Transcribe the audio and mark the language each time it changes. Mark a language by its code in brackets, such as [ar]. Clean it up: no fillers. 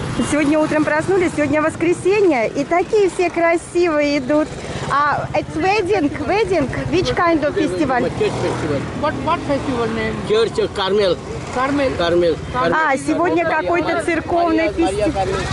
[ru] Сегодня утром проснулись, сегодня воскресенье, и такие все красивые идут. [en] А it's wedding, wedding, which kind of festival? What festival name? Church of Carmel. Carmel. Carmel. [ru] А сегодня какой-то церковный фестиваль.